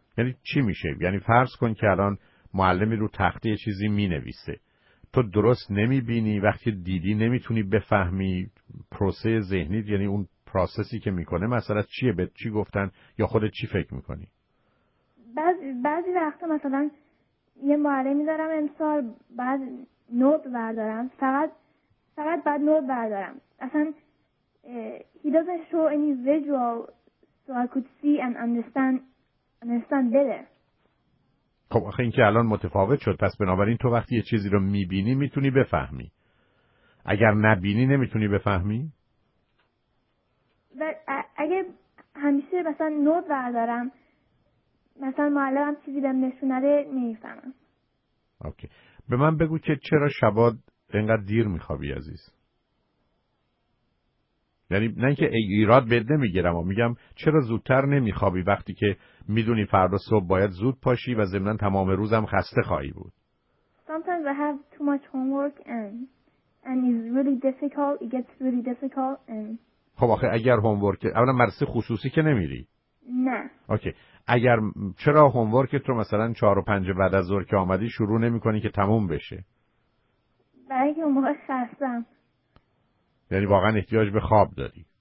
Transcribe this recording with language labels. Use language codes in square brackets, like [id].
[fa] یعنی چی میشه؟ یعنی فرض کن که الان معلمی رو تخته یه چیزی مینویسه، تو درست نمیبینی، وقتی دیدی نمیتونی بفهمی، پروسه ذهنی، یعنی اون پروسسی که میکنه مثلا چیه، به چی گفتن یا خودت چی فکر میکنی؟ بعضی وقتا مثلا یه معلمی دارم امسال، بعد نوت بردارم، فقط بعد نوت بردارم. اصلا [en] he doesn't show any visual so I could see and understand better. [fa] خب آخه این که الان متفاوت شد، پس بنابراین تو وقتی یه چیزی رو میبینی میتونی بفهمی، اگر نبینی نمیتونی بفهمی؟ و اگه همیشه مثلا نوت بردارم، مثلا معلمم چیزی بهم نشون نده، نمیفهمم. اوکی. به من بگو که چرا شبا اینقدر دیر میخوابی عزیز؟ یعنی نه که ایراد بهت نمیگیرم، میگم چرا زودتر نمیخوابی وقتی که میدونی فردا صبح باید زود پاشی و ضمن تمام روزم خسته خواهی بود. [en] Sometimes I have too much homework and it's really difficult. It gets really difficult and [fa] خب آخه اگر هومورک، اولا مدرسه خصوصی که نمیری؟ نه. اوکی. اگر چرا هومورکت رو مثلا 4 و 5 بعد از ظهر که اومدی شروع نمی‌کنی که تموم بشه؟ برای که موقع خستم. یعنی واقعا احتیاج به خواب داری؟